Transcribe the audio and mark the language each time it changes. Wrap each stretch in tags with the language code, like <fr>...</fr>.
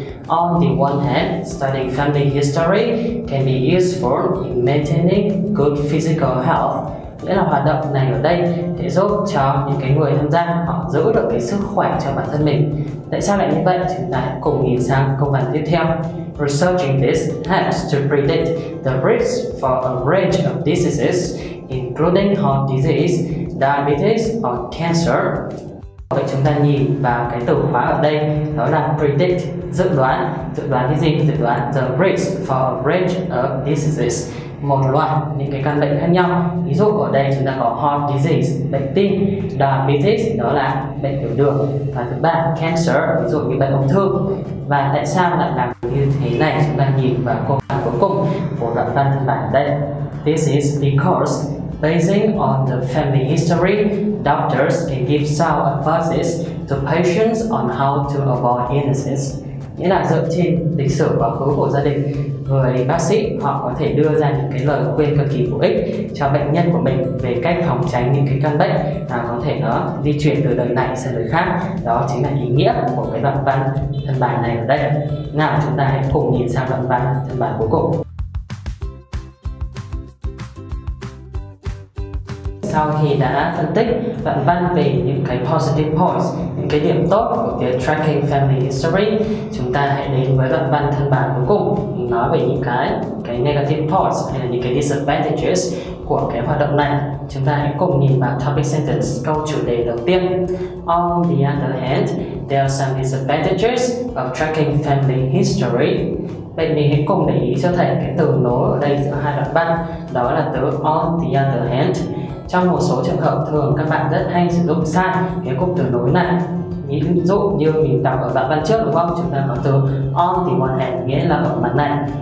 <en>On the one hand, studying family history can be useful in maintaining good physical health.</en> <vi>Nghĩa là hoạt động này ở đây để giúp cho những cái người tham gia họ giữ được cái sức khỏe cho bản thân mình. Tại sao lại như vậy? Chúng ta cùng nhìn sang công văn tiếp theo.</vi> <en>Researching this helps to predict the risks for a range of diseases, including heart disease, diabetes, or cancer.</en> <vi>Vậy chúng ta nhìn vào cái từ khóa ở đây, đó là predict, dự đoán. Dự đoán cái gì? Dự đoán</vi> <en>the risks for a range of diseases,</en> <vi>một loạt những cái căn bệnh khác nhau. Ví dụ ở đây chúng ta có heart disease, bệnh tim, diabetes, đó là bệnh tiểu đường, và thứ ba cancer, ví dụ như bệnh ung thư. Và tại sao lại làm như thế này? Chúng ta nhìn vào câu hỏi cuối cùng của đoạn văn thân bản đây.</vi> <en>This is because basing on the family history, doctors can give sound advice to patients on how to avoid illnesses.</en> <vi>Nghĩa là dựa trên lịch sử quá khứ của gia đình, người bác sĩ họ có thể đưa ra những cái lời khuyên cực kỳ bổ ích cho bệnh nhân của mình về cách phòng tránh những cái căn bệnh nào có thể nó di chuyển từ đời này sang đời khác. Đó chính là ý nghĩa của cái đoạn văn thân bản này ở đây. Nào chúng ta hãy cùng nhìn sang đoạn văn thân bản cuối cùng. Sau khi đã phân tích đoạn văn về những cái</vi> <en>positive points,</en> <vi>những cái điểm tốt của việc</vi> <en>tracking family history,</en> <vi>chúng ta hãy đến với đoạn văn thân bản cuối cùng, nói về những cái</vi> <en>negative points</en> <vi>hay là những cái disadvantages của cái hoạt động này. Chúng ta hãy cùng nhìn vào topic sentence, câu chủ đề đầu tiên.</vi> <en>On the other hand, there are some disadvantages of tracking family history.</en> <vi>Vậy mình hãy cùng để ý cho thầy cái từ nối ở đây giữa hai đoạn văn, đó là từ</vi> <en>on the other hand.</en> <vi>Trong một số trường hợp thường các bạn rất hay sử dụng sai cái cụm từ nối này. Ví dụ như mình đọc ở đoạn văn trước đúng không? Chúng ta có từ</vi> <en>on the one hand</en> <vi>nghĩa là ở mặt này.</vi>